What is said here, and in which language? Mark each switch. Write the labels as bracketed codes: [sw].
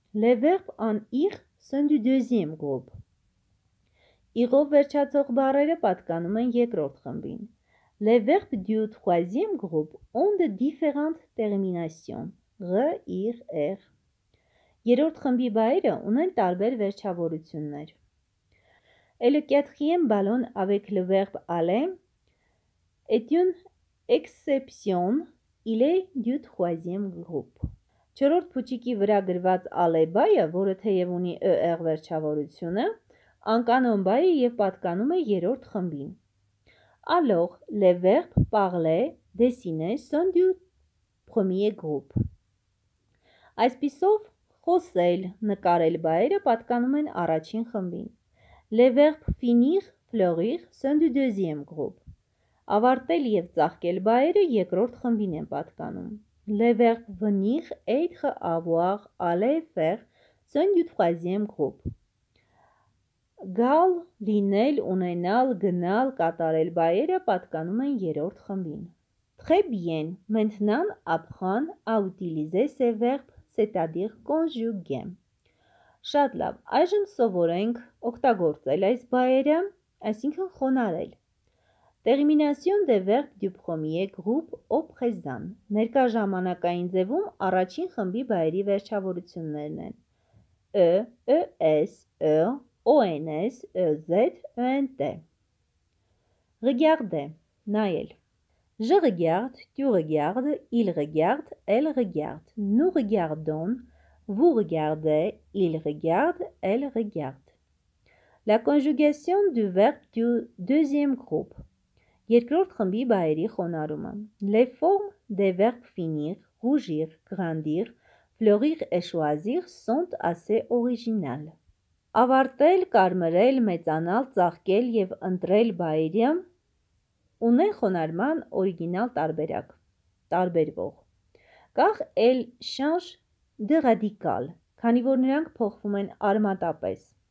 [fr] Les verbes en ir sont du deuxième groupe. [hy] Ir-ով վերջացող բառերը պատկանում են երկրորդ խմբին. [fr] Les verbes du troisième groupe ont de différentes terminations. R, ir, er. [hy] Երրորդ խմբի բայերը ունեն տարբեր վերջավորություններ։ [fr] Et le quatrième ballon avec le verbe aller est une exception, il est du troisième groupe. [hy] Չորրորդ փուչիկի վրա գրված aller բայը, որը թեև ունի er վերջավորությունը, անկանոն բայ է եւ պատկանում է երրորդ խմբին։ [fr] Alors, les verbes parler, dessiner sont du premier groupe. [hy] Այսպիսով խոսել, նկարել բայերը պատկանում են առաջին խմբին։ [fr] Les verbes finir, fleurir sont du deuxième groupe. [hy] Ավարտել եւ ծաղկել բայերը երկրորդ խմբին են պատկանում։ [fr] Les verbes venir, être, avoir, aller, faire sont du troisième groupe. [hy] Գալ, լինել, ունենալ, գնալ, կատարել բայերը պատկանում են երրորդ խմբին։ [fr] Très bien. Maintenant, apprends à utiliser ces verbes, c'est-à-dire conjuguer. [hy] Շատ լավ, այժմ սովորենք օգտագործել այս բայերը, այսինքն խոնարել։ [fr] Termination de verbe du premier groupe au présent. [hy] Ներկա ժամանակային ձևում առաջին խմբի բայերի վերջավորություններն են. Ö, ös, ö, ons, öz, ent. [fr] Regardez, նայել. Je regarde, tu regardes, il regarde, elle regarde. Nous regardons, vous regardez, il regarde, elle regarde. La conjugation du verbe du deuxième groupe. [hy] Երկրորդ խմբի բայերի խոնարհումը. [fr] Les formes des verbes finir, rougir, grandir, fleurir et choisir sont assez originales. [hy] Ավարտել, կարմրել, մեծանալ, ծաղկել եւ ընտրել բայերը ունեն խոնարհման օրիգինալ տարբերակ՝ տարբերվող։ [fr] Կախ էլ շանշ դը ռադիկալ, [hy] քանի որ նրանք փոխվում են արմատապես.